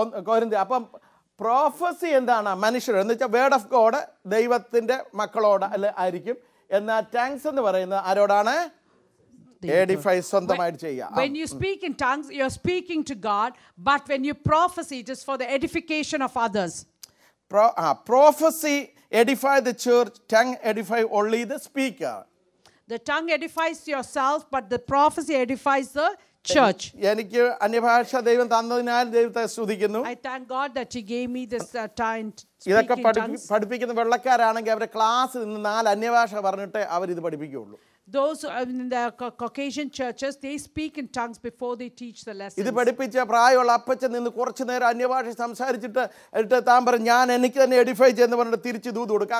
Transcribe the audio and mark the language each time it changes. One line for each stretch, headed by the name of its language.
Malayalam: Korinthi appa prophecy എന്താണ്? മനുഷ്യർ എന്ന് വെച്ചാൽ
English: word of God
Malayalam: ദൈവത്തിൻ്റെ മക്കളോട് അല്ലെ ആയിരിക്കും. എന്നാൽ ടാങ്സ് എന്ന് പറയുന്നത് ആരോടാണ്? എഡിഫൈ, സ്വന്തമായിട്ട് ചെയ്യുക.
English: When you speak in tongues, you're speaking to God, but when you prophesy, it is for the edification of others. Prophecy edify the church, tongue edify only the speaker. The tongue edifies yourself, but the prophecy edifies the church.
Malayalam: എനിക്ക് അന്യഭാഷ ദൈവം തന്നതിനാൽ ദൈവത്തെ സ്തുതിക്കുന്നു.
English: I thank God that he gave me this time.
Malayalam: ഇതൊക്കെ പഠിപ്പിക്കുന്ന വെള്ളക്കാരാണെങ്കിൽ അവരെ class നിന്ന് നാല് അന്യഭാഷ പറഞ്ഞിട്ട് അവർ ഇത് പഠിപ്പിക്കുകയുള്ളൂ.
English: Those in the Caucasian churches, they speak in tongues before they teach the lessons.
Malayalam: ഇത് പഠിപ്പിച്ച പ്രായമുള്ള അപ്പച്ചൻ നിന്ന് കുറച്ചു നേരം അന്യഭാഷ സംസാരിച്ചിട്ട് എന്നിട്ട് താൻ പറഞ്ഞു ഞാൻ എനിക്ക് തന്നെ എഡിഫൈ ചെയ്യുന്നു പറഞ്ഞിട്ട് തിരിച്ച് ദൂത് കൊടുക്കുക.